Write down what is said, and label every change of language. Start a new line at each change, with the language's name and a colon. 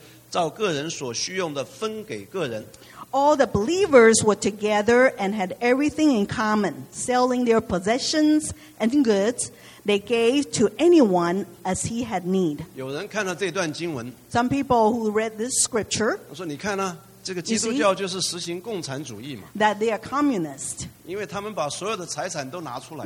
Chinese: 这边讲的人，信的人都在一处，凡物公用，并且卖了田产家业，照个人所需用的分给个人。
English: All the believers were together and had everything in common, selling their possessions and goods. They gave to anyone as he had need.
Chinese: 有人看到这段经文,
English: Some people who read this scripture,
Chinese: 我说你看啊, 这个基督教就是实行共产主义嘛,
English: you see, that they are communists.
Chinese: 因为他们把所有的财产都拿出来,